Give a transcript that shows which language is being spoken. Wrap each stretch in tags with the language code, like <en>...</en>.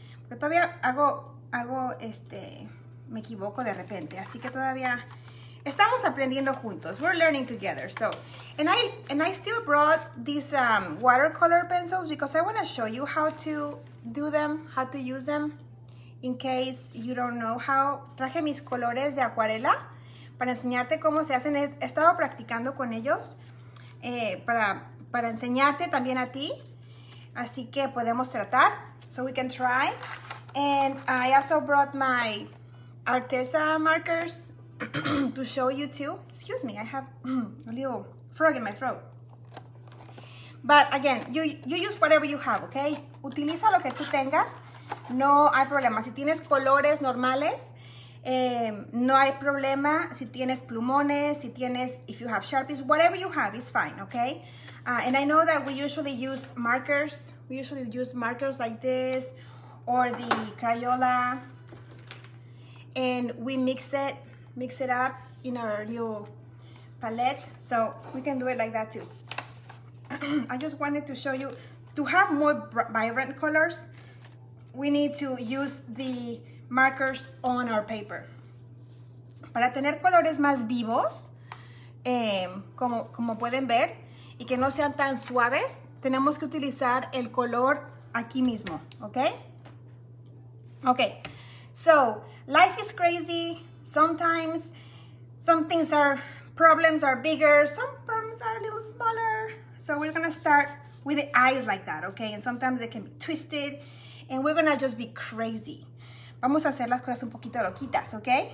<es>Porque todavía me equivoco de repente. Así que todavía estamos aprendiendo juntos.</es> <en>We're learning together. So, and I still brought these watercolor pencils because I want to show you how to do them, how to use them, in case you don't know how.</en> <es>Traje mis colores de acuarela para enseñarte cómo se hacen. He estado practicando con ellos para enseñarte también a ti. Así que podemos tratar.</es> <en>So we can try. And I also brought my Artesa markers to show you too. Excuse me, I have a little frog in my throat. But again, you use whatever you have, okay?</en> <es>Utiliza lo que tú tengas. No hay problema. Si tienes colores normales, no hay problema. Si tienes plumones, si tienes,</es> <en>if you have Sharpies, whatever you have is fine, okay? And I know that we usually use markers. We usually use markers like this or the Crayola. And we mix it up in our little palette. So we can do it like that too. I just wanted to show you, to have more vibrant colors, we need to use the markers on our paper.</en> <es>Para tener colores más vivos, como pueden ver, y que no sean tan suaves, tenemos que utilizar el color aquí mismo, okay?</es> <en>Okay, so life is crazy. Sometimes some things are, problems are bigger, some problems are a little smaller. So we're gonna start with the eyes like that, okay? And sometimes they can be twisted and we're gonna just be crazy.</en> <es>vamos a hacer las cosas un poquito loquitas, ¿ok?</es>